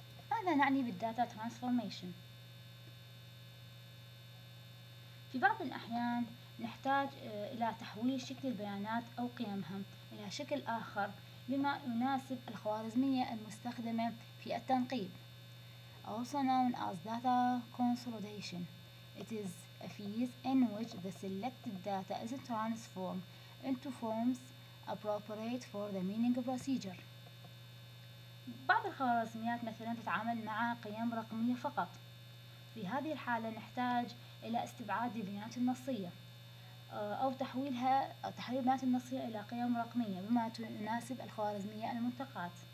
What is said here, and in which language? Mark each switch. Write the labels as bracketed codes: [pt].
[ar] ماذا نعني بالData Transformation؟ في بعض الأحيان نحتاج إلى تحويل شكل البيانات أو قيمها إلى شكل آخر لما يناسب الخوارزمية المستخدمة في التنقيب، [en] also known as Data Consolidation. It is a phase in which the selected data is transformed into forms appropriate for the meaning procedure. [ar] بعض الخوارزميات مثلا تتعامل مع قيم رقمية فقط، في هذه الحالة نحتاج إلى استبعاد البيانات النصية أو تحويلها تحويل البيانات النصية إلى قيم رقمية بما تناسب الخوارزمية المنتقات.